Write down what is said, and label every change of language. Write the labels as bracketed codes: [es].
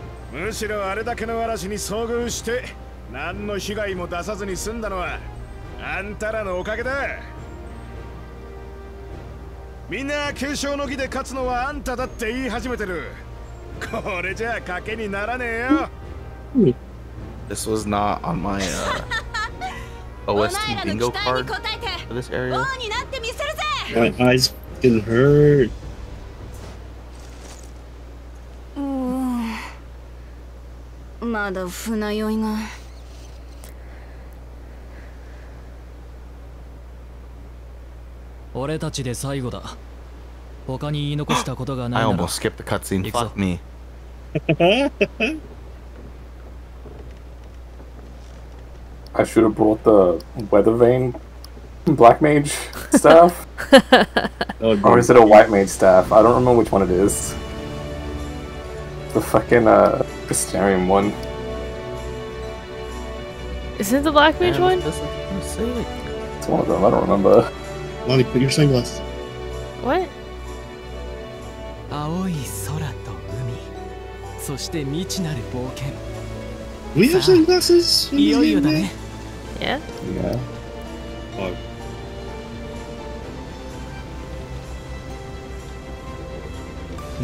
[ja] むしろあれだけの嵐に遭遇して何の被害も出さずに済んだのはあんたらのおかげだ。みんな継承の儀で勝つのはあんただって言い始めてる。これじゃ賭けにならねえよ。 [en] This was not on my OST bingo card for this area. My eyes can hurt. [ja] まだ船酔いが。俺たちで最後だ。他に言い残したことがない [en] なら。I almost skipped the cutscene. Fuck me. I should have brought the weather vane black mage staff. Or is it a white mage staff? I don't remember which one it is. The fucking Pristarium one. Isn't it the Black Mage one? It's one of them, I don't remember. Lonnie, put your sunglasses. What? [ja] 青い空と海、そして未知なる冒険。 [en] We have sunglasses. [ja] いよいよだね。 [en] Yeah. Yeah. Oh.